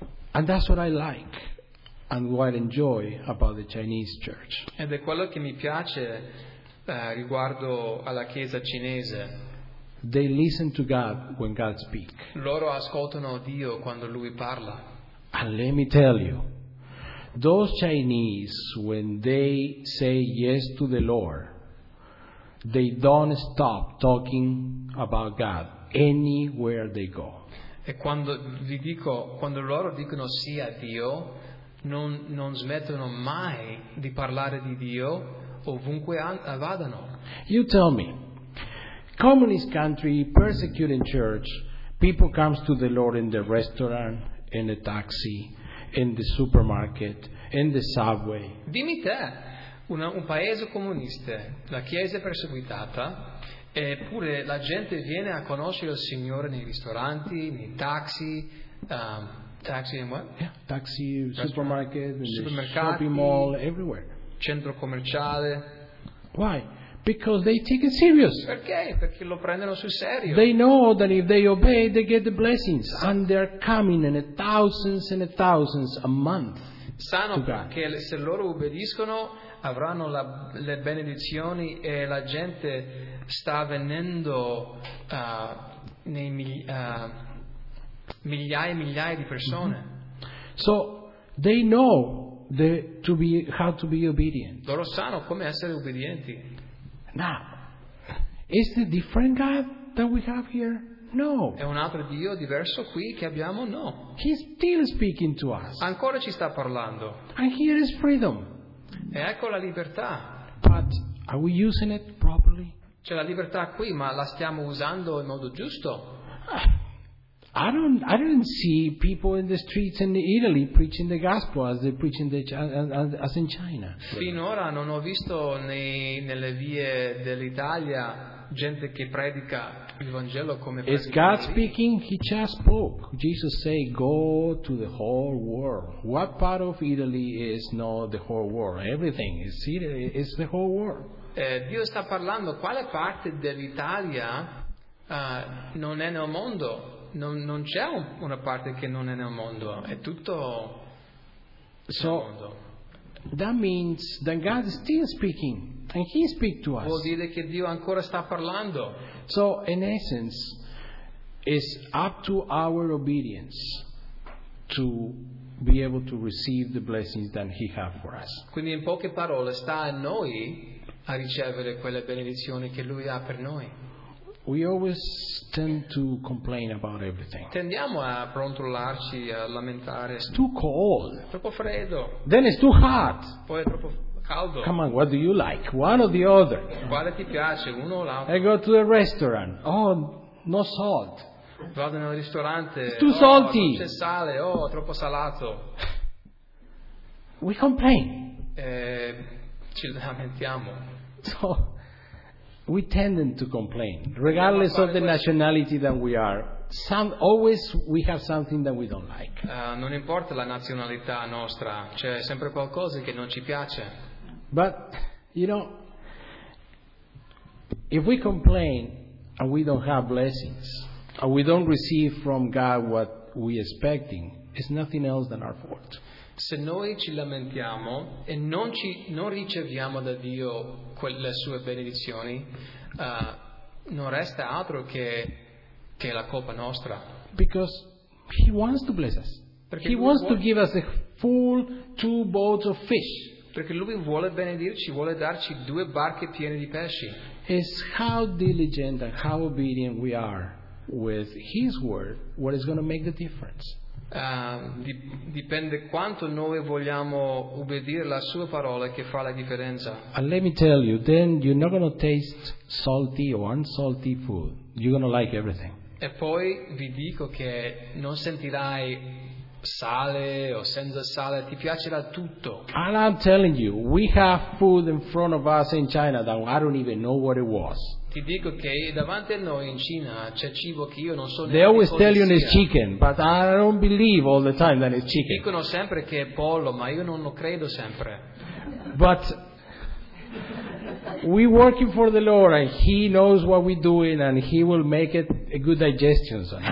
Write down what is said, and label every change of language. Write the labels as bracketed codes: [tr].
[en] And that's what I like and what I enjoy about the Chinese church. [it] Ed è quello che mi piace riguardo alla chiesa cinese. [en] They listen to God when God speaks. [it] Loro ascoltano Dio quando lui parla. [en] And let me tell you. Those Chinese, when they say yes to the Lord, they don't stop talking about God anywhere they go. [it] E quando vi dico, quando loro dicono sì a Dio, non smettono mai di parlare di Dio ovunque vadano. [en] You tell me, communist country, persecuting church, people comes to the Lord in the restaurant, in the taxi, in the supermarket, in the subway. [it] Dimmi te, un paese comunista, la chiesa perseguitata, eppure la gente viene a conoscere il Signore nei ristoranti, nei taxi, taxi [en] and what? Yeah, taxi, supermarket, shopping mall, everywhere. [it] Centro commerciale. [en] Why? Because they take it serious. [it] Perché? Perché lo prendono sul serio. [en] They know that if they obey, they get the blessings, and they're coming in thousands and thousands a month. [it] Sanno che se loro obbediscono avranno le benedizioni e la gente sta venendo migliaia e migliaia di persone. [en] Mm-hmm. So they know how to be obedient. [it] Loro sanno come essere obbedienti. [en] Now, is it a different God that we have here? No. [it] È un altro Dio diverso qui che abbiamo? No. [en] He's still speaking to us. [it] Ancora ci sta parlando. [en] And here is freedom. [it] E ecco la libertà. [en] But are we using it properly? [it] C'è la libertà qui, ma la stiamo usando in modo giusto? [en] I don't see people in the streets in Italy preaching the gospel as they preach as in China. [it] Finora non ho visto nelle vie dell'Italia gente che predica il Vangelo come predica. [en] Is God speaking? He just spoke. Jesus say, "Go to the whole world." What part of Italy is not the whole world? Everything is Italy. It's the whole world. [it] Dio sta parlando. Quale parte dell'Italia non è nel mondo? Non c'è una parte che non è nel mondo, è tutto nel mondo. [en] That means that God is still speaking and he speaks to us. [it] Vuol dire che Dio ancora sta parlando. [en] So in essence it's up to our obedience to be able to receive the blessings that he has for us. [it] Quindi in poche parole sta a noi a ricevere quelle benedizioni che lui ha per noi. [en] We always tend to complain about everything. [it] Tendiamo a brontolarci, a lamentare. [en] It's too cold. [it] È troppo freddo. [en] Then it's too hot. [it] Poi è troppo caldo. [en] Come on, what do you like? One or the other? [it] Quale ti piace, uno o l'altro? [en] I go to a restaurant. Oh, no salt. [it] Vado nel ristorante. [en] It's too salty. [it] Non c'è sale. Oh, troppo salato. [en] We complain. [it] Ci lamentiamo. [en] So, we tend to complain, regardless of the nationality that we are. Always we have something that we don't like. [it] Non importa la nazionalità nostra, c'è sempre qualcosa che non ci piace. [en] But, you know, if we complain and we don't have blessings, and we don't receive from God what we're expecting, it's nothing else than our fault. [it] Se noi ci lamentiamo e non riceviamo da Dio le sue benedizioni, non resta altro che la colpa nostra. [en] Because He wants to bless us. [it] Perché [en] He wants to give us a full 2 boats of fish. [it] Perché Lui vuole benedirci, vuole darci 2 barche piene di pesci. [en] It's how diligent and how obedient we are with His word what is going to make the difference. [it] Dipende quanto noi vogliamo ubbidire la sua parola che fa la differenza. [en] And let me tell you, then you're not going to taste salty or unsalty food. You're going to like everything. [it] E poi vi dico che non sentirai sale o senza sale, ti piacerà tutto. [en] And I'm telling you, we have food in front of us in China that I don't even know what it was. [it] Ti dico che davanti a noi in Cina c'è cibo che io non so neanche. [en] They always tell you it's chicken, but I don't believe all the time that it's chicken. [it] Dicono sempre che è pollo, ma io non lo credo sempre. [en] But we're working for the Lord, and He knows what we're doing, and He will make it a good digestion.